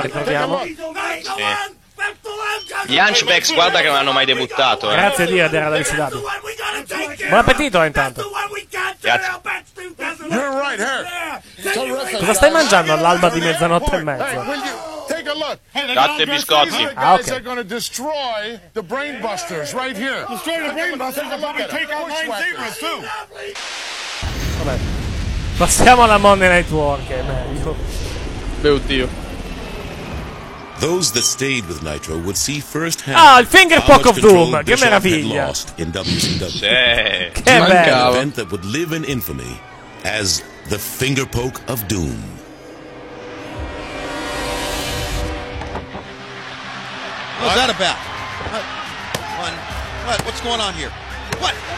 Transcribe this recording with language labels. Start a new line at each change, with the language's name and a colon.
Italian: Ricordiamo. Gli Hunchback, guarda che non hanno mai debuttato. Grazie a Dio, era da ricordare. Buon appetito, intanto. Grazie.
English: You're right here.
Italian: Cosa stai mangiando all'alba di mezzanotte e mezzo?
English: Take a look.
Italian: Latte e biscotti. Ah, ok.
English: They're going to destroy the brainbusters right here. Destroy the brainbusters and probably take out nine zebras too.
Italian: Vabbè. Passiamo alla Monday Night War, che è meglio. Beh, oddio.
English: Those that stayed with Nitro would see firsthand.
Italian: Ah, il Finger Poke of Doom, che meraviglia. Sì. Che bello.
English: That would live in infamy as the Finger Poke of Doom. What's that about? What's going on here? What?